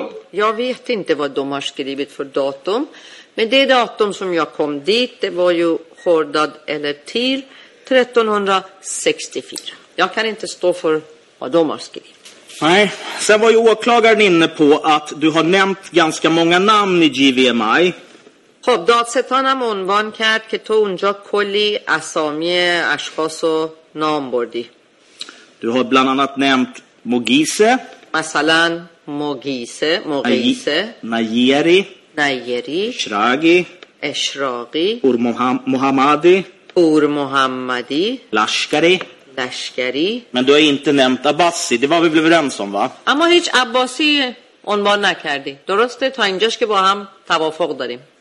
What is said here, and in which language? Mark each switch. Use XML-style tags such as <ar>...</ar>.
<sv>Jag vet inte vad de har skrivit för datum, men det datum som jag kom dit, det var ju Khordad eller Tir 1364. Jag kan inte stå för vad de har skrivit. Nej, sen var ju åklagaren inne på att du har nämnt ganska många namn i JVMI.</sv> <fa>خب دادستان هم عنوان کرد که تو اونجا کلی اسامی اشخاص و نام بردی.</fa> <sv>Du har bland annat nämnt Mogise.</sv> <fa>مثلا Mogise, Mogise.</fa> <sv>Nayeri.</sv> <fa>Nayeri.</fa> <sv>Eshraqi.</sv> <fa>Eshraqi.</fa> <sv>Ur Muhammadi.</sv> <fa>Ur Muhammadi.</fa> <sv>Lashkari.</sv> <fa>Lashkari.</fa> <sv>Men du har inte nämnt Abbasi, det var vi blev överens om va?</sv> <fa>اما هیچ عباسی عنوان نکردی. درسته تا اینجاش که با هم توافق داریم.</fa>